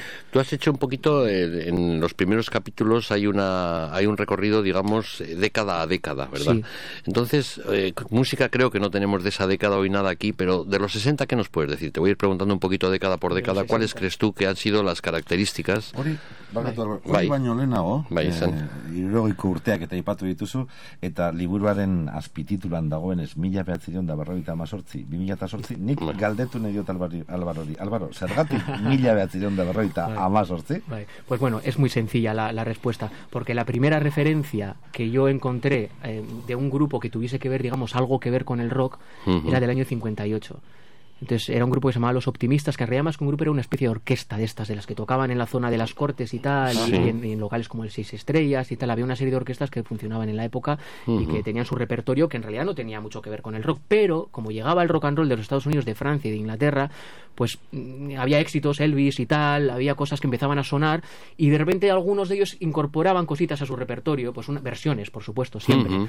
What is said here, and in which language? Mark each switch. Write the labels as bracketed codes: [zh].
[es] Tú has hecho un poquito, en los primeros capítulos hay un recorrido, digamos, década a década, ¿verdad? Sí. Entonces, música creo que no tenemos de esa década hoy nada aquí, pero de los 60, ¿qué nos puedes decir? Te voy a ir preguntando un poquito década por década, ¿cuáles crees tú que han sido las características? [eu] Hori baino lehenago, irrogeiko urteak eta aipatu dituzu, eta liburuaren azpitituluan dagoen ez 1948, nik galdetu nahi dut Alvarori. Alvaro, zergatik 1948? [es] Vale. Pues bueno, es muy sencilla la respuesta, porque la primera referencia que yo encontré de un grupo que tuviese que ver, digamos, algo que ver con el rock, uh-huh, era del año 58. Entonces era un grupo que se llamaba Los Optimistas, que en realidad más que un grupo era una especie de orquesta de estas, de las que tocaban en la zona de las Cortes y tal, sí, y en locales como el Seis Estrellas y tal. Había una serie de orquestas que funcionaban en la época, uh-huh, y que tenían su repertorio, que en realidad no tenía mucho que ver con el rock, pero como llegaba el rock and roll de los Estados Unidos, de Francia y de Inglaterra, pues había éxitos, Elvis y tal, había cosas que empezaban a sonar, y de repente algunos de ellos incorporaban cositas a su repertorio, pues versiones, por supuesto, siempre.